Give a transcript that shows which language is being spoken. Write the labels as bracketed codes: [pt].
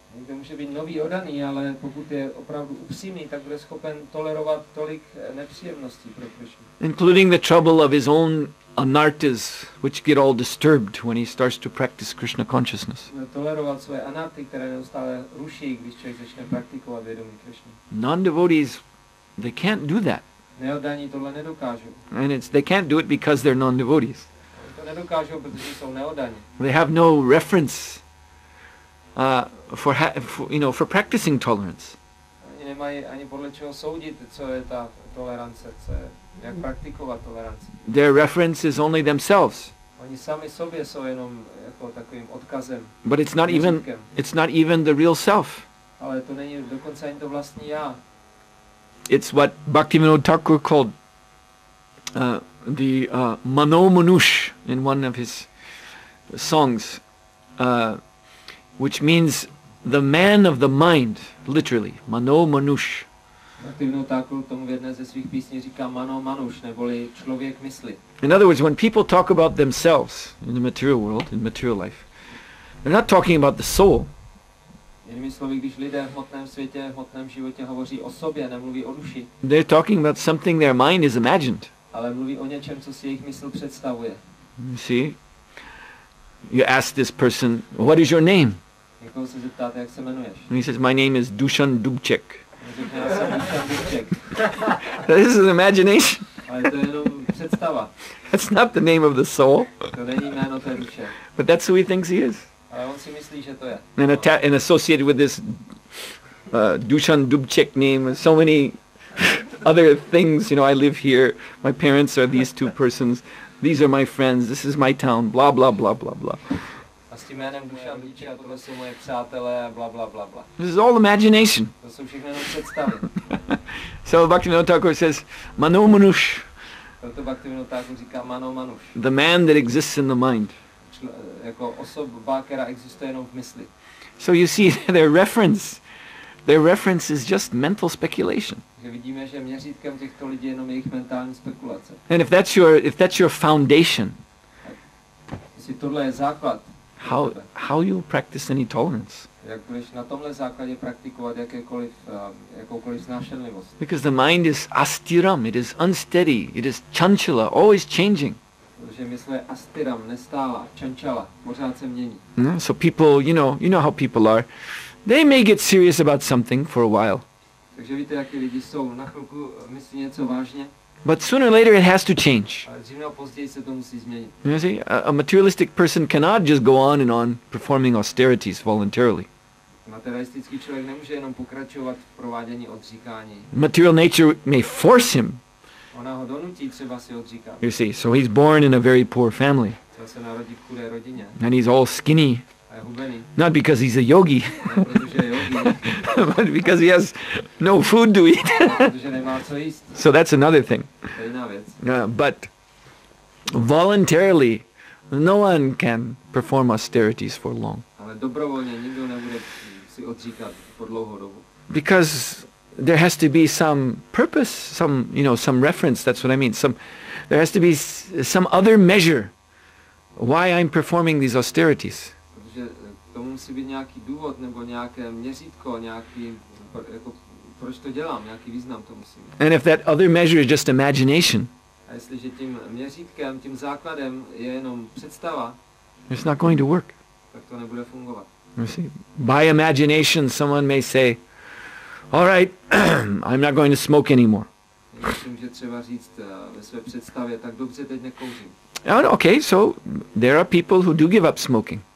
[cs] Někdo může být nový odaný, ale pokud je opravdu upřímný, tak bude schopen tolerovat tolik nepříjemností pro Krishnu. [en] Including the trouble of his own anartas, which get all disturbed when he starts to practice Krishna consciousness. [cs] Tolerovat své anarty, které neustále ruší, když člověk začne praktikovat vědomí Krishna. [en] Non-devotees, they can't do that. [cs] Neodaní tohle nedokážou. [en] And they can't do it because they're non-devotees. [cs] Nedokážou, protože jsou neodaní. [en] They have no reference for practicing tolerance. [cs] Oni nemají ani podle čeho soudit, co je ta tolerance, co je, jak praktikovat toleranci. [en] Their reference is only themselves. [cs] Oni sami sobě jsou jenom jako takovým odkazem. [en] But it's not even the real self. [cs] Ale to není dokonce ani to vlastní já. [en] It's what Bhaktivinoda Thakur called the mano manush in one of his songs, which means the man of the mind, literally mano manush. [cs] Bhaktivinoda Thakur tomu v jedné ze svých písní říká mano manush, neboli člověk mysli. [en] In other words, when people talk about themselves in the material world, in material life, they're not talking about the soul. [cs] Jinými slovy, když lidé v hmotném světě, v hmotném životě hovoří o sobě, nemluví o duši. [en] They're talking about something their mind is imagined. [cs] Ale mluví o něčem, co si jejich mysl představuje. [en] You see? You ask this person, what is your name? [cs] Někoho se zeptáte, jak se jmenuješ. [en] And he says, my name is Dušan Dubček. [cs] Řekne, já jsem Dušan Dubček. [en] This is imagination. [cs] Ale to je jenom představa. [en] That's not the name of the soul. [cs] To není jméno té duše. [en] But that's who he thinks he is. [cs] Ale on si myslí, že to je. [en] And associated with this Dušan Dubček name, so many other things, you know, I live here, my parents are these two persons, these are my friends, this is my town, blah, blah, blah, blah, blah. [cs] A s tím jménem Dušan Dubček, tohle jsou moje přátelé, blah, blah, blah, blah. [en] This is all imagination. [cs] To jsou všechno jenom představy. [en] So Bhaktivinoda Thakur says, mano manush. [cs] Proto Bhaktivinoda Thakur říká mano manush. [en] The man that exists in the mind. [cs] Jako osoba, která existuje jenom v mysli. [en] So you see, their reference is just mental speculation. [cs] Že vidíme, že měřítkem těchto lidí je jenom jejich mentální spekulace. [en] And if that's your foundation, [cs] jestli tohle je základ, [en] how you practice any tolerance? [cs] Jak budeš na tomhle základě praktikovat jakoukoliv snášenlivost? [en] Because the mind is astiram, it is unsteady, it is chanchala, always changing. [cs] Protože mysl je astiram, nestála, čančala, pořád se mění. [en] So people, you know how people are. They may get serious about something for a while. [cs] Takže víte, jaké lidi jsou, na chvilku myslí něco vážně. [en] But sooner or later it has to change. [cs] Ale dřív nebo později se to musí změnit. [en] You see, a materialistic person cannot just go on and on performing austerities voluntarily. [cs] Materialistický člověk nemůže jenom pokračovat v provádění odříkání. [en] Material nature may force him. [cs] Ona ho donutí třeba si odříkat. [en] You see, so he's born in a very poor family. [cs] Třeba se narodí v chudé rodině. [en] And he's all skinny. [cs] A je hubený. [en] Not because he's a yogi. [cs] Ne, protože je yogi. [en] But because he has no food to eat. [cs] Protože nemá co jíst. [en] So that's another thing. [cs] To je jiná věc. [en] But voluntarily, no one can perform austerities for long. [cs] Ale dobrovolně nikdo nebude si odříkat po dlouhou dobu. [en] Because there has to be some purpose, some reference, that's what I mean. There has to be some other measure why I'm performing these austerities. [cs] Protože k tomu musí být nějaký důvod nebo nějaké měřítko, nějaký jako proč to dělám, nějaký význam to musí mít. [en] And if that other measure is just imagination, [cs] a jestliže tím měřítkem, tím základem je jenom představa, [en] it's not going to work. [cs] Tak to nebude fungovat. [en] You see, by imagination, someone may say, all right, I'm not going to smoke anymore. [cs] Myslím, že třeba říct ve své představě, tak dobře, teď nekouřím. [en] And okay, so there are people who do give up smoking.